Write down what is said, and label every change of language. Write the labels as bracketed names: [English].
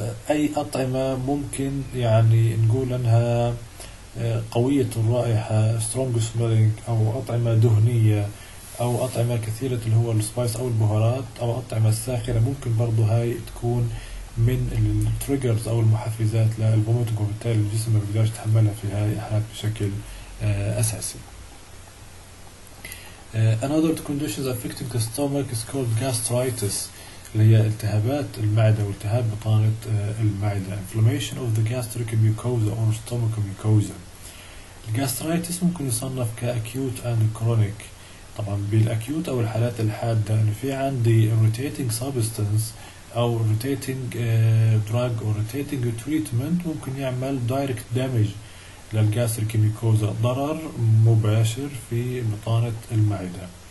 [Arabic] أي أطعمة ممكن يعني نقول أنها قوية الرائحة strong smelling أو أطعمة دهنية أو أطعمة كثيرة اللي هو السبايس أو البهارات أو أطعمة ساخنة ممكن برضو هاي تكون من التريجرز أو المحفزات للبوميتنج وبالتالي الجسم ما بيقدرش يتحملها في هاي الحالات بشكل أساسي. [English] Another conditions affecting the stomach is called gastritis [Arabic] اللي هي التهابات المعدة والتهاب بطانة المعدة [English] inflammation of the gastric mucosa or stomach mucosa. [Arabic] الجاستريتس ممكن يصنف كأكيوت and chronic طبعا بالأكيوت أو الحالات الحادة يعني في عندي irritating substance أو irritating drug أو irritating treatment ممكن يعمل direct damage للجاستريك ميكوزا ضرر مباشر في بطانة المعدة